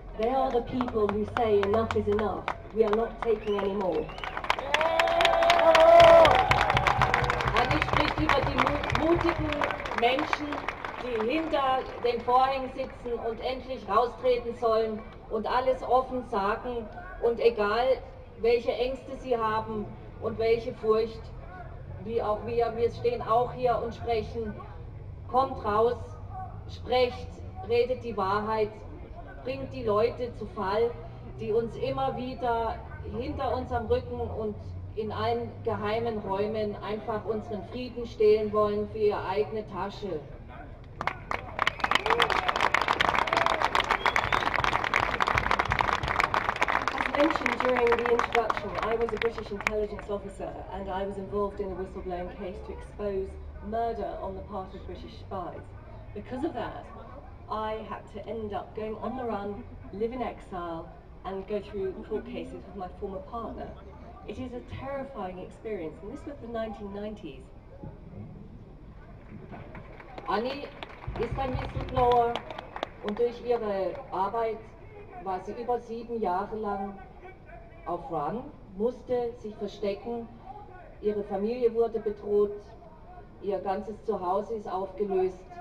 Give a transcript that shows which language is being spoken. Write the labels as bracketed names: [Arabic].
[English] They are the people who say enough is enough. We are not taking any more. [German] Anne spricht über die mutigen Menschen, die hinter den Vorhängen sitzen und endlich raustreten sollen und alles offen sagen und egal welche Ängste sie haben und welche Furcht, wie auch wir, wir stehen auch hier und sprechen, kommt raus, sprecht, redet die Wahrheit, bringt die Leute zu Fall, die uns immer wieder hinter unserem Rücken und in allen geheimen Räumen einfach unseren Frieden stehlen wollen für ihre eigene Tasche. [English] As mentioned during the introduction, I was a British intelligence officer and I was involved in a whistleblowing case to expose murder on the part of British spies. Because of that, I had to end up going on the run, live in exile, and go through court cases with my former partner. It is a terrifying experience, and this was the 1990s. [German] Annie ist ein Whistleblower, und durch ihre Arbeit war sie über 7 Jahre lang auf Run, musste sich verstecken, ihre Familie wurde bedroht, ihr ganzes Zuhause ist aufgelöst.